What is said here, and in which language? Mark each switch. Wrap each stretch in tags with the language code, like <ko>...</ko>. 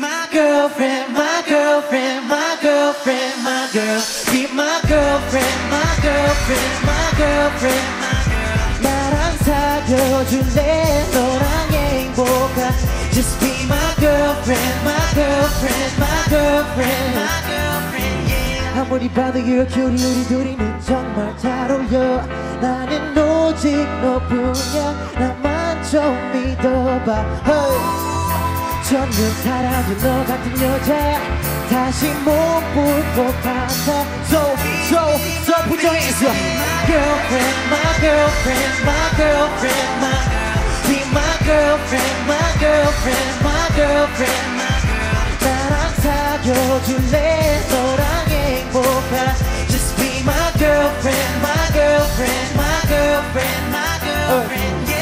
<en>girlfriend, my girlfriend, my girlfriend, my girl. Be my girlfriend, my girlfriend, my girlfriend, my girl.</en> <ko>나랑 사귀어줄래 너랑 행복한.</ko> <en>Just be my girlfriend, my girlfriend, my girlfriend, my girlfriend, yeah.</en> <ko>아무리 봐도</ko> <en>you're cute,</en> <ko>우리 둘이는 정말 잘 어울려. 나는 오직 너뿐이야. 나만 좀 믿어봐. Hey. 없는 사람은 너 같은 여자 다시 못 볼 것 같아.</ko> <en>So, so, so put your hands up. My girlfriend, my girlfriend, my girlfriend, my girl. Be my girlfriend, my girlfriend, my girlfriend, my girl.</en> <ko>나랑 사귀어줄래 너랑 행복한.</ko> <en>Just be my girlfriend, my girlfriend, my girlfriend, my girlfriend. Oh.</en>